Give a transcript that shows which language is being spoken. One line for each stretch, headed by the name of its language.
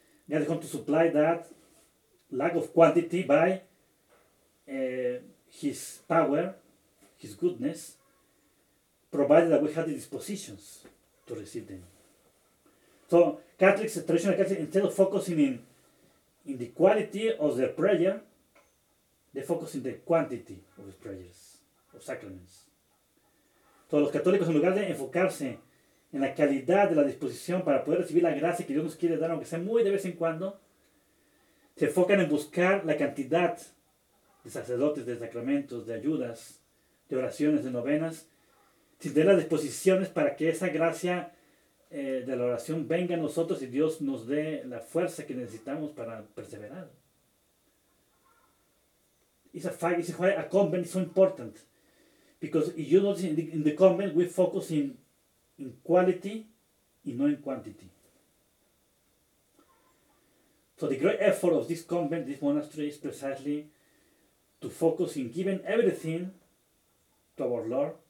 English: God is going to supply that lack of quantity by His power, His goodness, provided that we have the dispositions to receive them. So Catholics, traditional Catholics, instead of focusing in the quality of their prayer, they focus in the quantity of the prayers, of sacraments.
Spanish: So los católicos, en lugar de enfocarse en la calidad de la disposición para poder recibir la gracia que Dios nos quiere dar, aunque sea muy de vez en cuando, se enfocan en buscar la cantidad de sacerdotes, de sacramentos, de ayudas, de oraciones, de novenas, sin tener las disposiciones para que esa gracia de la oración venga a nosotros y Dios nos dé la fuerza que necesitamos para perseverar.
English: It's a fact, it's why a convent is so important. Because if you notice in the convent, we focus in quality and not in quantity. So the great effort of this convent, this monastery, is precisely to focus in giving everything to our Lord.